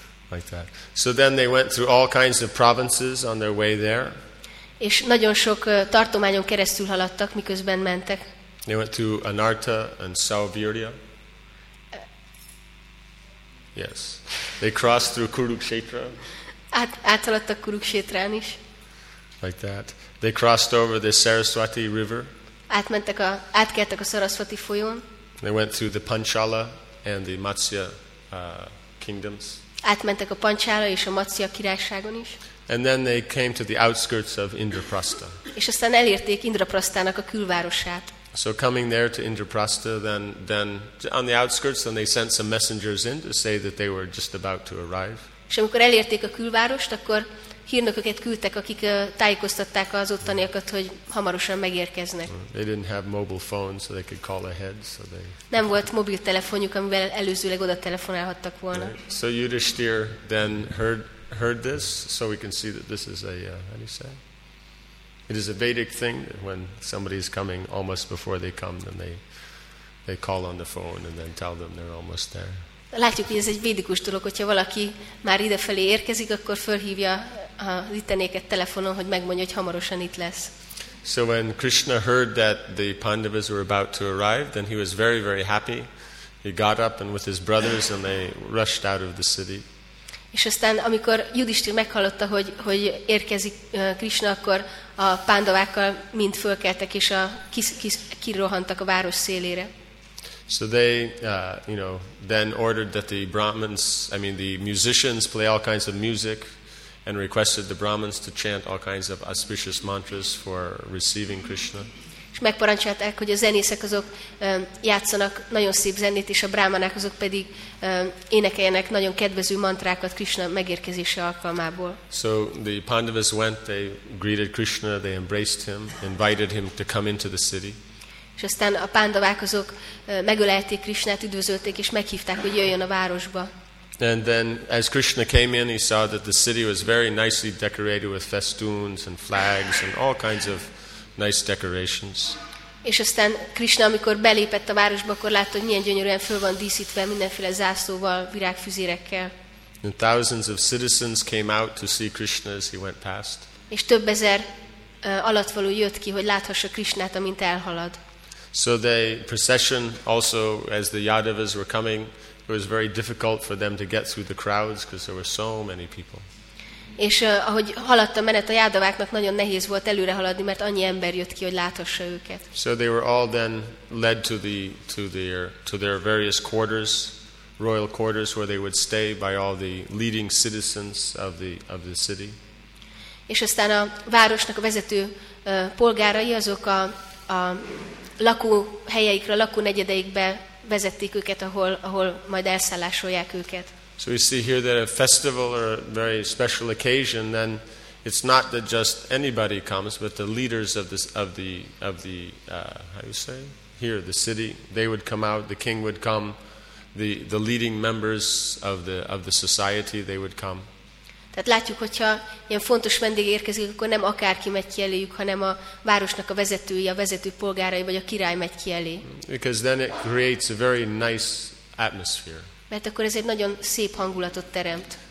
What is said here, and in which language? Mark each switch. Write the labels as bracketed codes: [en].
[en] Like that. So then they went through all kinds of provinces on their way there. [hu] És nagyon sok tartományon keresztül haladtak, miközben mentek. [en] They went through Anarta and Sauvirya. Yes. They crossed through Kurukshetra. [hu] Áthaladtak Kurukshetrán is. [en] Like that. They crossed over the Saraswati River. [hu] Átkeltek a Saraswati folyón. [en] They went through the Panchala and the Matsya kingdoms. [hu] Átmentek a Panchala és a Matsya királyságon is. [en] And then they came to the outskirts of Indraprastha. [hu] És aztán elérték Indraprasztának a külvárosát. [en] So coming there to Indraprastha, then on the outskirts, then they sent some messengers in to say that they were just about to arrive. [hu] És amikor elérték a külvárost, akkor hírnököket küldtek, akik tájékoztatták az ottaniakat, hogy hamarosan megérkeznek. [en] They didn't have mobile phones, so they could call ahead, so they. [hu] Nem volt mobiltelefonjuk, amivel előzőleg oda telefonálhattak volna. [en] Right. So Yudhishthir then heard this, so we can see that this is a how do you say? It is a Vedic thing that when somebody is coming almost before they come, then they call on the phone and then tell them they're almost there. [hu] Látjuk, hogy ez egy védikus dolog, hogyha valaki már idefelé érkezik, akkor fölhívja az ittenéket telefonon, hogy megmondja, hogy hamarosan itt lesz. [en] So when Krishna heard that the Pandavas were about to arrive, then he was very, very happy. He got up and with his brothers and they rushed out of the city. [hu] És aztán, amikor Yudhishthir meghallotta, hogy érkezik Krishna, akkor a Pandavákkal mind fölkeltek és kirohantak a város szélére. [en] So they, then ordered that the Brahmins, the musicians play all kinds of music and requested the Brahmins to chant all kinds of auspicious mantras for receiving Krishna. [hu] És megparancsolták, hogy a zenészek azok játszanak nagyon szép zenét, és a brahmanák azok pedig énekeljenek nagyon kedvező mantrákat Krishna megérkezése alkalmából. [en] So the Pandavas went, they greeted Krishna, they embraced him, invited him to come into the city. [hu] És aztán a Pándavák azok megölelték Krishnát, üdvözölték és meghívták, hogy jöjjön a városba. [en] And then as Krishna came in, he saw that the city was very nicely decorated with festoons and flags and all kinds of nice decorations. [hu] És aztán Krishna, amikor belépett a városba, akkor látta, hogy milyen gyönyörűen föl van díszítve mindenféle zászlóval, virágfüzérekkel. [en] And thousands of citizens came out to see Krishna as he went past. [hu] És több ezer alattvaló jött ki, hogy láthassa Krishnát, amint elhalad. [en] So the procession also, as the Yadavas were coming, it was very difficult for them to get through the crowds because there were so many people. [hu] És ahogy haladt a menet, a Yadaváknak nagyon nehéz volt előre haladni, mert annyi ember jött ki, hogy láthassa őket. [en] So they were all then led to their various quarters, royal quarters, where they would stay by all the leading citizens of the city. [hu] És aztán a városnak a vezető polgárai azok a lakóhelyeikre, lakónegyedeikbe vezették őket, ahol majd elszállásolják őket. [en] So we see here that a festival or a very special occasion, then it's not that just anybody comes, but the leaders of the city, they would come out, the king would come, the leading members of the society, they would come. [hu] Tehát látjuk, hogyha ilyen fontos vendég érkezik, akkor nem akárki megy ki eléjük, hanem a városnak a vezetői, a vezető polgárai vagy a király megy ki elé. [en] Because then it creates a very nice atmosphere. [hu] Mert akkor ez egy nagyon szép hangulatot teremt.